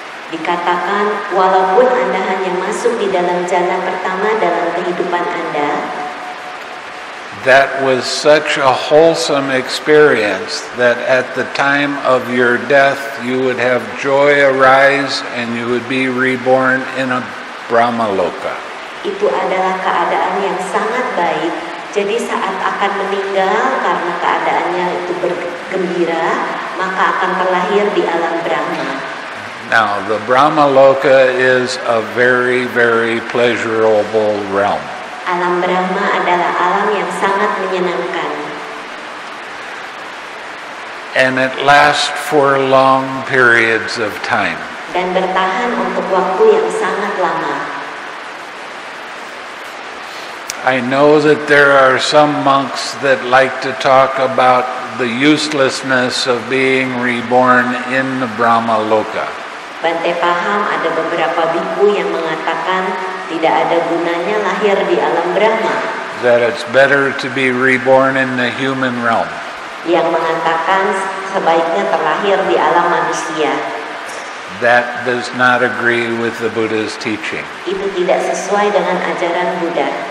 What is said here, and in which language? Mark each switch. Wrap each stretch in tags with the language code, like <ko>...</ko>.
<id>Dikatakan, walaupun Anda hanya masuk di dalam jhana pertama dalam kehidupan Anda,</id> <en>that was such a wholesome experience that at the time of your death you would have joy arise and you would be reborn in a Brahma loka.</en> <id>Itu adalah keadaan yang sangat baik. Jadi saat akan meninggal karena keadaannya itu bergembira, maka akan terlahir di alam Brahma.</id> <en>Now the Brahma loka is a very, very pleasurable realm.</en> <id>Alam Brahma adalah alam yang sangat menyenangkan.</id> <en>And it lasts for long periods of time.</en> <id>Dan bertahan untuk waktu yang sangat lama.</id> <en>I know that there are some monks that like to talk about the uselessness of being reborn in the Brahma Loka.</en> <id>Bhante paham ada beberapa bhikkhu yang mengatakan tidak ada gunanya lahir di alam Brahma.</id> <en>That it's better to be reborn in the human realm.</en> <id>Yang mengatakan sebaiknya terlahir di alam manusia.</id> <en>That does not agree with the Buddha's teaching.</en> <id>Itu tidak sesuai dengan ajaran Buddha.</id>